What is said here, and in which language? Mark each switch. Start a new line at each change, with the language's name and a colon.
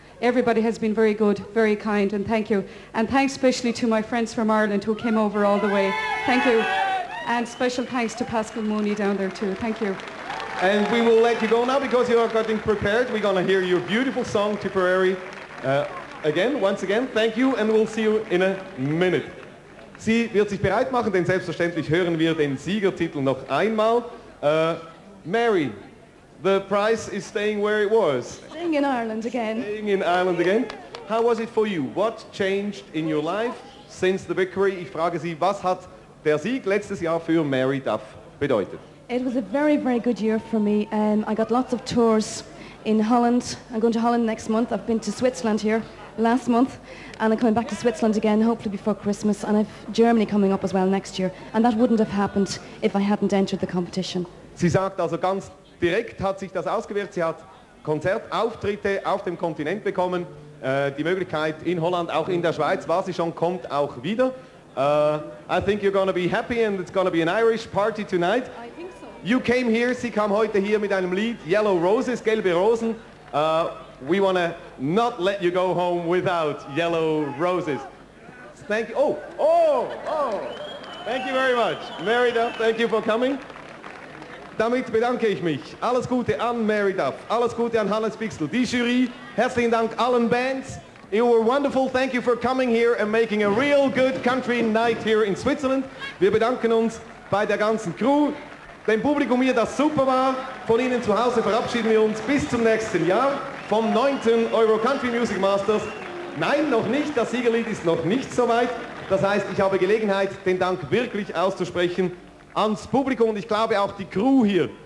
English: Everybody has been very good, very kind and thank you. And thanks especially to my friends from Ireland who came over all the way. Thank you. And special thanks to Pascal Mooney down there too. Thank you. And we will let you go now because you are getting prepared. We're going to hear your beautiful song, Tipperary, once again. Thank you and we'll see you in a minute.
German: Sie wird sich bereit machen, denn selbstverständlich hören wir den Siegertitel noch einmal.
English: Mary, the prize is staying where it was. Staying in Ireland again. Staying in Ireland again. How was it for you? What changed in your life since the victory?
German: Ich frage Sie, was hat der Sieg letztes Jahr für Mary Duff bedeutet?
English: It was a very, very good year for me. I got lots of tours in Holland. I'm going to Holland next month. I've been to Switzerland here. last month, and I'm coming back to Switzerland again, hopefully before Christmas, and I've Germany coming up as well next year, and that wouldn't have happened if I hadn't entered the competition.
German: Sie sagt also ganz direkt hat sich das ausgewirkt, sie hat Konzertauftritte auf dem Kontinent bekommen, die Möglichkeit in Holland, auch in der Schweiz, war sie schon, kommt auch wieder.
English: I think you're going to be happy and it's going to be an Irish party tonight. I think so. You came here,
German: sie kam heute hier mit einem Lied, Yellow Roses, gelbe Rosen.
English: We want to not let you go home without Yellow Roses. Thank you. Thank you very much. Mary Duff, thank you for coming.
German: Damit bedanke ich mich. Alles Gute an Mary Duff. Alles Gute an Hannes Bixel. Die Jury, herzlichen Dank allen Bands.
English: You were wonderful. Thank you for coming here and making a real good country night here in Switzerland.
German: Wir bedanken uns bei der ganzen Crew, dem Publikum hier, das super war. Von Ihnen zu Hause verabschieden wir uns bis zum nächsten Jahr. Vom 9. Euro Country Music Masters. Nein, noch nicht. Das Siegerlied ist noch nicht so weit. Das heißt, ich habe Gelegenheit, den Dank wirklich auszusprechen ans Publikum und ich glaube auch die Crew hier.